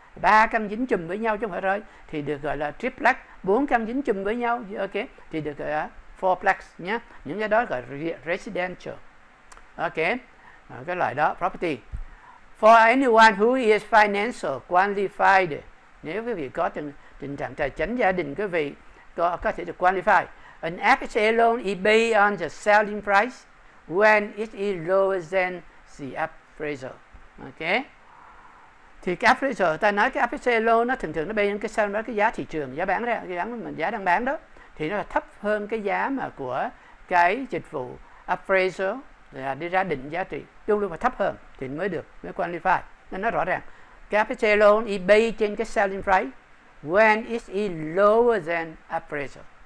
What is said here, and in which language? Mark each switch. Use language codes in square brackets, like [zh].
[vi] Ba căn dính chùm với nhau chứ không phải rồi, thì được gọi là triplex. Bốn căn dính chùm với nhau, ok, thì được gọi là fourplex nhé. Những cái đó gọi là residential, ok, cái loại đó property. [en] For anyone who is financial qualified, [vi] nếu quý vị có tình trạng tài chính gia đình, quý vị có thể được qualify. [en] An FSA loan is based on the selling price when it is lower than the appraisal. Okay. [vi] Thì cái appraisal, ta nói cái appraisal nó thường thường nó bên cái sao đó, cái giá thị trường, giá bán ra, cái giá đang bán đó, thì nó là thấp hơn cái giá mà của cái dịch vụ appraisal là đi ra định giá trị, luôn luôn mà thấp hơn thì mới được, mới qualify. Nên nó rõ ràng cái appraisal is based trên cái selling price [en] when it is lower than appraisal.